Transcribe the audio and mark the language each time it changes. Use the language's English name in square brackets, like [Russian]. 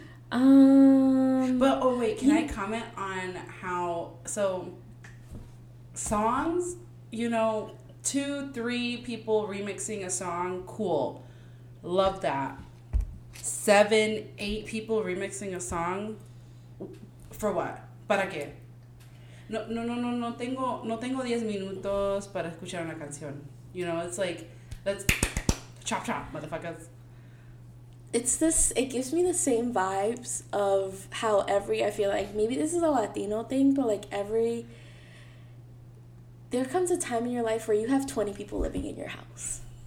[English] I comment on how, so songs, you know, 2-3 people remixing a song, cool, love that. 7-8 people remixing a song, for what? [Spanish] Para qué? No tengo 10 minutos para escuchar una canción. [English] You know, it's like, let's chop chop, motherfuckers. It gives me the same vibes of how I feel like, maybe this is a Latino thing, but like there comes a time in your life where you have 20 people living in your house.